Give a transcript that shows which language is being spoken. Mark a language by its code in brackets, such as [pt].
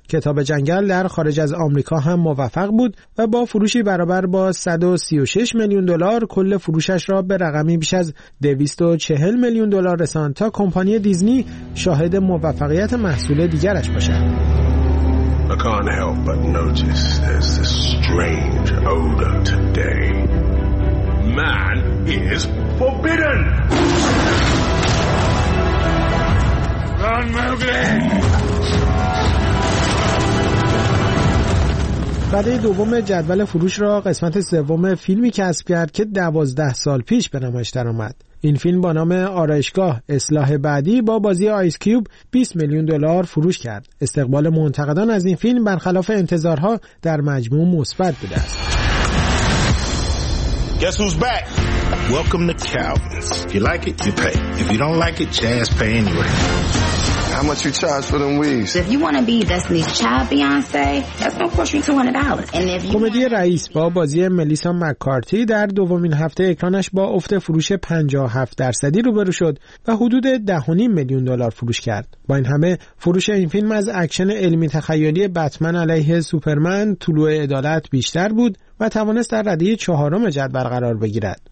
[fa] کتاب جنگل در خارج از آمریکا هم موفق بود و با فروشی برابر با 136 میلیون دلار کل فروشش را به رقمی بیش از 240 میلیون دلار رساند تا کمپانی دیزنی شاهد موفقیت محصول دیگرش باشد. [en] I can't help but notice there's this strange odor today. Man is forbidden! Run, Mowgli! [fa] بعد دوم جدول فروش را قسمت سوم فیلمی کسب کرد که 12 سال پیش به نمایش درآمد. این فیلم با نام آرایشگاه اصلاح بعدی با بازی آیس کیوب 20 میلیون دلار فروش کرد. استقبال منتقدان از این فیلم برخلاف انتظارها در مجموع مثبت بوده است. [en] Guess who's back? Welcome to Calvin's. If you like it, you pay. If you don't like it, jazz pay anyway. How much you charge for them weaves? If you want to be Destiny's Child Beyonce, that's gonna cost you $200. And if you [fa] کمدی رئیس با بازی ملیسا مک‌کارتی در دومین هفته اکرانش با افت فروش 57% روبرو شد و حدود 10.5 میلیون دلار فروش کرد. با این همه فروش این فیلم از اکشن علمی تخیلی بتمن علیه سوپرمن طلوع عدالت بیشتر بود و توانست در رده 4 جدول قرار بگیرد.